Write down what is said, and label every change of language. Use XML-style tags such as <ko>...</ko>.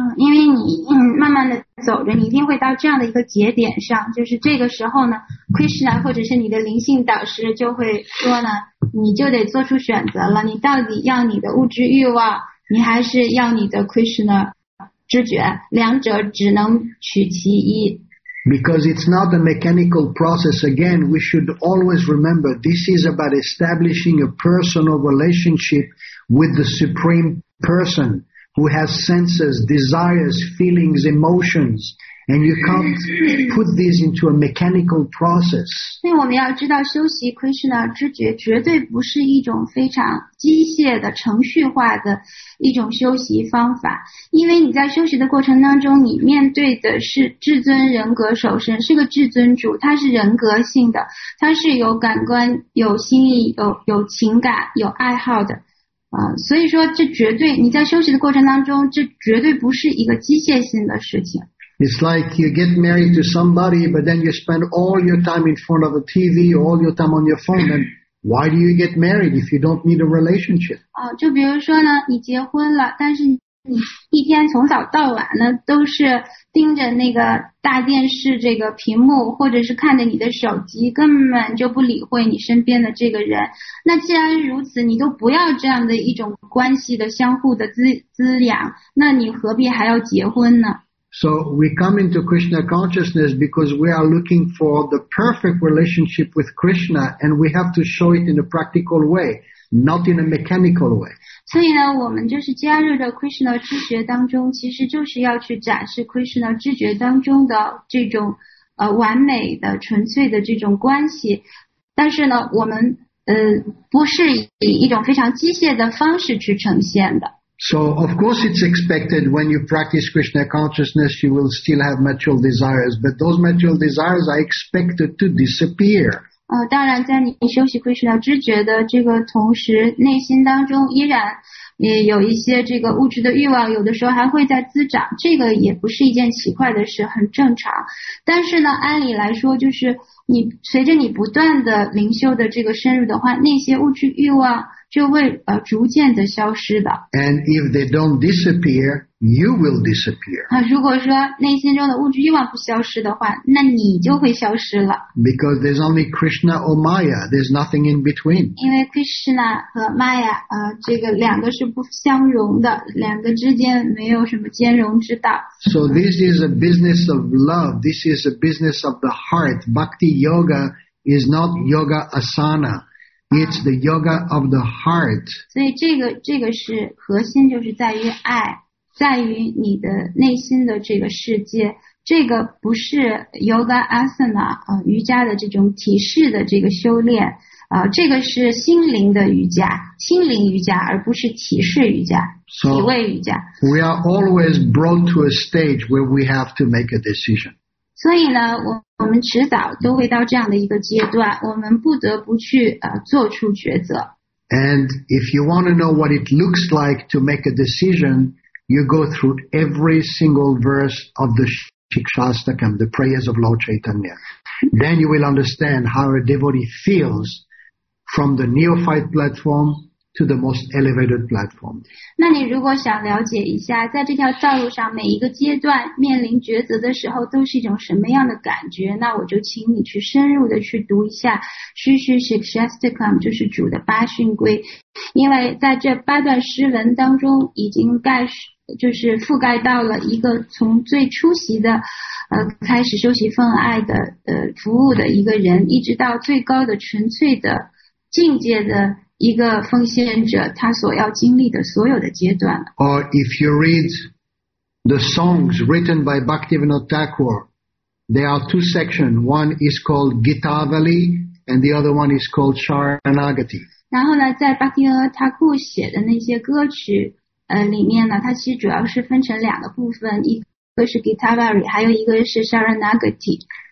<zh>因为你慢慢的走着，你一定会到这样的一个节点上，就是这个时候呢 ，Krishna 或者是你的灵性导师就会说呢，你就得做出选择了，你到底要你的物质欲望，你还是要你的 Krishna 知觉，两者只能取其一。</zh> <en>Because it's not a mechanical process. Again, we should always remember this is about establishing a personal relationship with the Supreme. Person who has senses, desires, feelings, emotions, and you can't put these into a mechanical process.</en> <zh>所以我们要知道，修习 Krishna 知觉绝对不是一种非常机械的、程序化的一种修习方法。因为你在修习的过程当中，你面对的是至尊人格首身，是个至尊主，他是人格性的，他是有感官、有心意、有情感、有爱好的。所以说这绝对你在休息的过程当中这绝对不是一个机械性的事情。</zh> <en>It's like you get married to somebody, but then you spend all your time in front of a TV, all your time on your phone, and Why do you get married if you don't need a relationship?</en> <zh>就比如说呢，你结婚了，但是你一天从早到晚呢，都是盯着那个大电视这个屏幕，或者是看着你的手机，根本就不理会你身边的这个人。那既然如此，你都不要这样的一种关系的相互的滋养，那你何必还要结婚呢？</zh> <en>So we come into Krishna consciousness because we are looking for the perfect relationship with Krishna, and we have to show it in a practical way, not in a mechanical way.</en> <zh>所以呢，我们就是加入到 Krishna 知觉当中，其实就是要去展示 Krishna 知觉当中的这种完美的、纯粹的这种关系。但是呢，我们不是以一种非常机械的方式去呈现的。</zh> <en>So, of course, it's expected when you practice Krishna consciousness, you will still have material desires, but those material desires are expected to disappear.</en> <zh>当然在你修习 Krishna 知觉的这个同时，内心当中依然也有一些这个物质的欲望，有的时候还会在滋长，这个也不是一件奇怪的事，很正常。但是呢，按理来说，就是你随着你不断的灵修的这个深入的话，那些物质欲望就会逐渐的消失的。</zh> <en>And if they don't disappear, you will disappear.</en> <zh>如果说内心中的物质欲望不消失的话，那你就会消失了。</zh> <en>Because there's only Krishna or Maya, there's nothing in between.</en> <zh>因为 Krishna 和 Maya, 这个两个是不相容的，两个之间没有什么兼容之道。</zh> <en>So this is a business of love, this is a business of the heart. Bhakti yoga is not yoga asana. It's the yoga of the heart.</en> <zh>所以这个是核心，就是在于爱，在于你的内心的这个世界。这个不是 yoga asana, 瑜伽的这种体式的这个修炼，这个是心灵的瑜伽，心灵瑜伽，而不是体式瑜伽，</zh> <en>so,</en> <zh>体位瑜伽。</zh> <en>We are always brought to a stage where we have to make a decision.</en> <zh>所以呢，我们迟早都会到这样的一个阶段，我们不得不去做出抉择。</zh> <en>And if you want to know what it looks like to make a decision, you go through every single verse of the Shikshastakam, the prayers of Lord Chaitanya. Then you will understand how a devotee feels from the neophyte platform to the most elevated platform.</en> <zh>那你如果想了解一下在这条道路上每一个阶段面临抉择的时候都是一种什么样的感觉，那我就请你去深入的去读一下 Shikshastakam, 就是主的八训规。因为在这八段诗文当中已经覆盖到了一个从最初级的开始修习奉爱的服务的一个人，一直到最高的纯粹的境界的一个奉献者他所要经历的所有的阶段。</zh> <en>Or if you read the songs written by Bhaktivinoda Thakur, there are two sections. One is called Gitavali, and the other one is called Sharanagati.</en> <zh>然后呢，在 Bhaktivinoda Thakur 写的那些歌曲里面呢，它其实主要是分成两个部分，一个是 Gitavali, 还有一个是 Sharanagati.</zh>